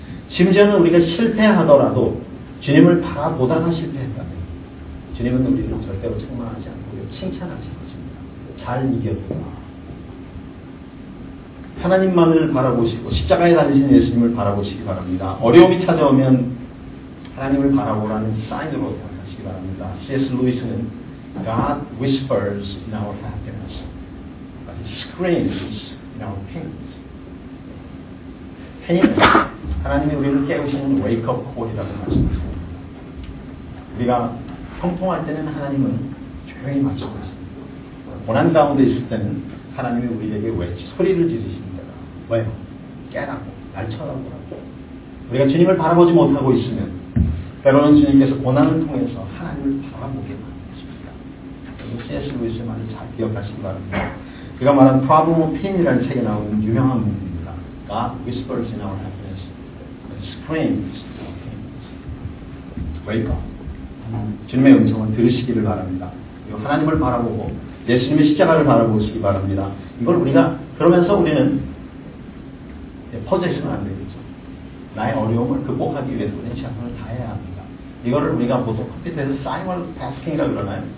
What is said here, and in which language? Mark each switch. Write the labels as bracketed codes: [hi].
[ko] 심지어는 우리가 실패하더라도, 주님을 바라보다가 실패했다면, 주님은 우리를 절대로 책망하지 않고 칭찬하실 것입니다. 잘 이겨보라. 하나님만을 바라보시고 십자가에 달리신 예수님을 바라보시기 바랍니다. 어려움이 찾아오면 하나님을 바라보라는 사인으로 생각하시기 바랍니다. [en] C.S. 루이스는 God whispers in our happiness, but He screams in our pains. [ko] 페인은 하나님이 우리를 깨우시는 wake-up call이라고 말씀하십니다. 우리가 형통할 때는 하나님은 조용히 말씀하십니다. 고난 가운데 있을 때는 하나님이 우리에게 외치 소리를 지르십니다. 왜요? 깨라고, 날 쳐다보라고. 우리가 주님을 바라보지 못하고 있으면 때로는 주님께서 고난을 통해서 하나님을 바라보게 만드십니다. 그래서 C.S. 루이스의 말을 잘 기억하시기 바랍니다. 그가 말한 Problem of Pain이라는 책에 나오는 유명한 문입니다. [en] God whispers in our happiness, but screams in our pains. [ko] 왜요? 주님의 음성을 들으시기를 바랍니다. 그리고 하나님을 바라보고 예수님의 십자가를 바라보시기 바랍니다. 이걸 우리가 그러면서 우리는 퍼져있으면 안 되겠죠. 나의 어려움을 극복하기 위해서 우리는 최선을 다해야 합니다. 이거를 우리가 보통 컴퓨터에서 사이멀태스킹이라고 그러나요?